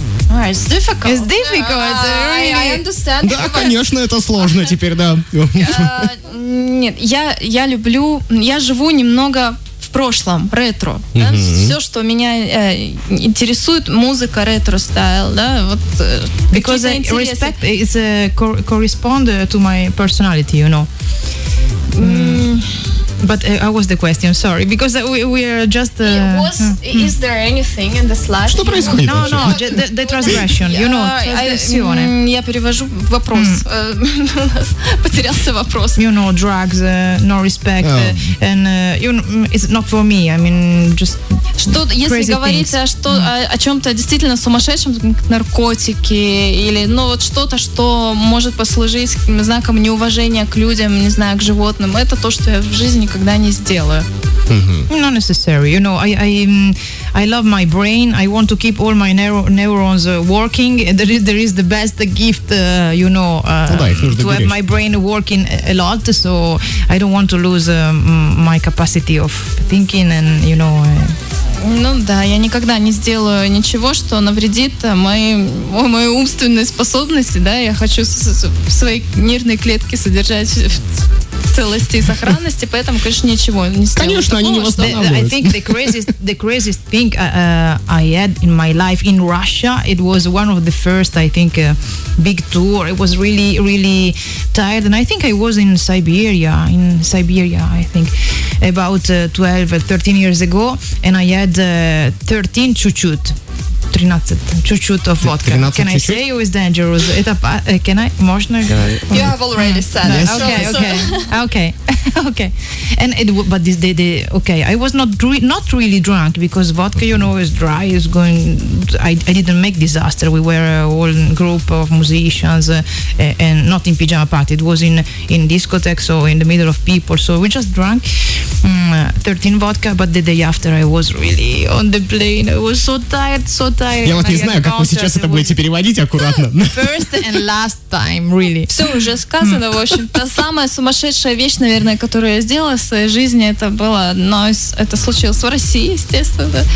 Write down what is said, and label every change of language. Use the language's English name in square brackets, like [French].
[English] It's difficult. It's difficult. I understand. [Russian] Да, конечно, это сложно теперь, да. Нет, я люблю. Я живу немного. В прошлом, ретро. Да? Mm-hmm. Все, что меня интересует, музыка ретро-стайл. Да? Вот, [English] because I respect is a correspond to my personality, you know. But I was the question, sorry. Because we are just... Is there anything in this life? [Russian] Что происходит? [English] No, no, the transgression, you know. Transgression. [Russian] Я перевожу вопрос. Потерялся вопрос. [English] You know, drugs, no respect. Oh. And you know, it's not for me. I mean, just [Russian] что, [English] crazy [Russian] если [English] things. [Russian] Если говорить о чем-то действительно сумасшедшем, наркотики, или ну, вот что-то, что может послужить знаком неуважения к людям, не знаю, к животным, это то, что я в жизни никогда не сделаю. [English] Mm-hmm. Not necessary. You know, I love my brain. I want to keep all my neurons working. There is the best gift, you know, [Russian] ну, да, [English] to have my brain working a lot. So I don't want to lose my capacity of thinking and, you know... [Russian] Ну да, я никогда не сделаю ничего, что навредит моей умственной способности, да. Я хочу свои нервные клетки содержать в целости и сохранности, поэтому, конечно, ничего не сделаю. Конечно, такого, они не восстанавливаются. [English] I think the craziest thing I had in my life in Russia, it was one of the first, I think, big tour. It was really, really tired, and I think I was in Siberia, I think, about 12 or 13 years ago, and I had 13 chuchut. 13, чуть-чуть of vodka. Can [Russian] чуть-чуть? [English] I say you is dangerous? [Russian] Это [English] can I? [Russian] Можно? [English] Yeah. You have already said yes. It. Okay, okay. Okay. Okay. And it but this day, okay, I was not really drunk because vodka, okay. You know, is dry, is going, I didn't make disaster. We were a whole group of musicians and not in pyjama party. It was in discotheque, so in the middle of people. So we just drank 13 vodka, but the day after I was really on the plane. I was so tired, so tired. [Russian] Я вот не знаю, как вы сейчас это будете переводить аккуратно. [English] First and last time, really. [Russian] Все уже сказано, в общем-то. Самая сумасшедшая вещь, наверное, которую я сделала в своей жизни, это было, но это случилось в России, естественно.